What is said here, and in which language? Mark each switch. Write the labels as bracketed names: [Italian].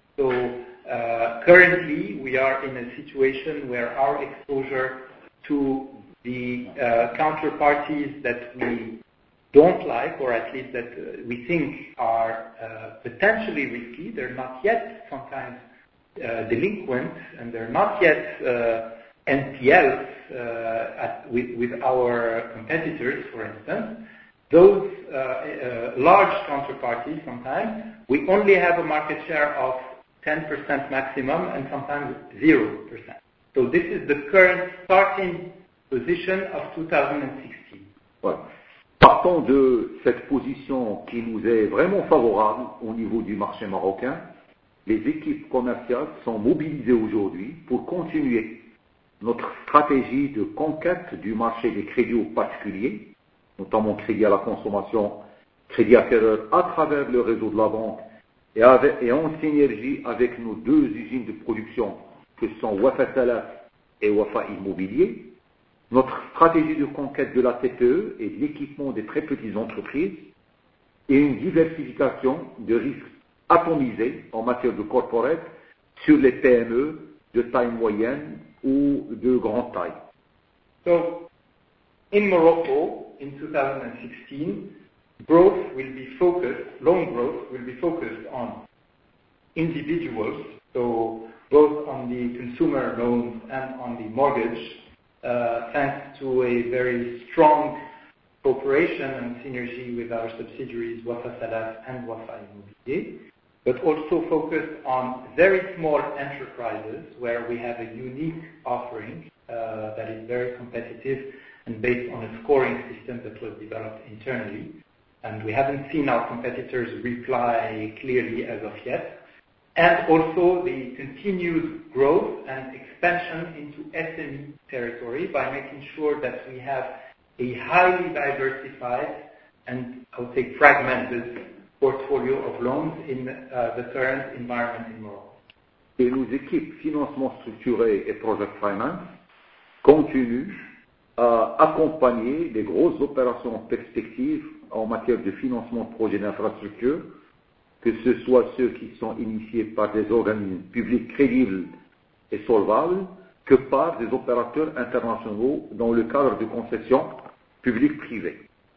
[English] So currently, we are in a situation where our exposure to the counterparties that we don't like, or at least that we think are potentially risky, they're not yet sometimes delinquent, and they're not yet NPLs with our competitors, for instance. Those large counterparties sometimes, we only have a market share of 10% maximum and sometimes 0%. So this is the current starting position of 2016. [French] Voilà. Partant de cette position qui nous est vraiment favorable au niveau du marché marocain, les équipes commerciales sont mobilisées aujourd'hui pour continuer notre stratégie de conquête du marché des crédits aux particuliers, notamment crédit à la consommation, crédit à acquéreur, à travers le réseau de la banque et en synergie avec nos deux usines de production que sont Wafa Salaf et Wafa Immobilier. Notre stratégie de conquête de la TPE et de l'équipement des très petites entreprises et une diversification de risques atomisés en matière de corporate sur les PME de taille moyenne ou de grande taille. [English] So, in Morocco, in 2016, growth will be focused, loan growth will be focused on individuals, so both on the consumer loans and on the mortgage, thanks to a very strong cooperation and synergy with our subsidiaries Wafa Salaf and Wafa Immobilier, but also focused on very small enterprises where we have a unique offering that is very competitive and based on a scoring system that was developed internally. And we haven't seen our competitors reply clearly as of yet. And also the continued growth and expansion into SME territory by making sure that we have a highly diversified and, I would say, fragmented portfolio of loans in the current environment in Morocco. [French] Et nos équipes financement structuré et project finance continuent à accompagner les grosses opérations en perspective en matière de financement de projets d'infrastructure, que ce soit ceux qui sont initiés par des organismes publics crédibles et solvables, que par des opérateurs internationaux dans le cadre de concessions publiques-privées.